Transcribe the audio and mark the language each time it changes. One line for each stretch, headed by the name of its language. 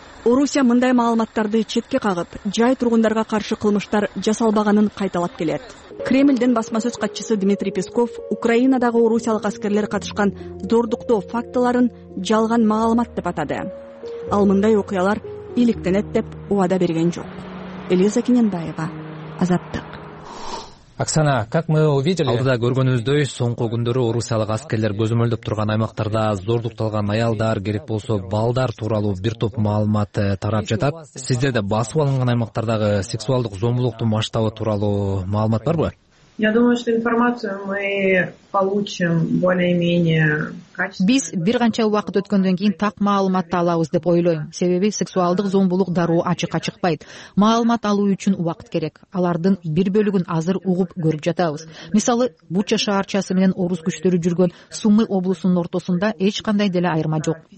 Kyrgyz: Орусия мындай маалыматтарды четке кагып, жай тургундарга каршы кылмыштар жасалбаганын кайталап келет. Кремлдин басма сөз катчысы Дмитрий Песков Украинадагы орусиялык аскерлер катышкан зордуктоо фактыларын жалган маалымат деп атады. Ал мындай окуялар иликтенет деп убада берген жок. Элиза Кененбаева, Азаттык.
Russian: Оксана, как мы увидели,
Kyrgyz: алдыда көргөнүбүздөй, соңку күндөрү орусиялык аскерлер көзөмөлдөп турган аймактарда зордукталган аялдар, керек болсо балдар тууралуу бир топ маалымат тарап жатат. Сизде да басып алынган аймактардагы сексуалдык зомбулуктун масштабы тууралуу маалымат барбы?
Russian: Я думаю, что информацию мы получим более-менее качественно.
Kyrgyz: Биз бир канча убакыт өткөндөн кийин так маалыматты алабыз деп ойлойм. Себеби сексуалдык зомбулук дароо ачыкка чыкпайт. Маалымат алуу үчүн убакыт керек. Алардын бир бөлүгүн азыр угуп көрүп жатабыз. Мисалы, Буча шаарчасы менен орус күчтөрү жүргөн Сумы облусунун ортосунда эч кандай деле айырма жок.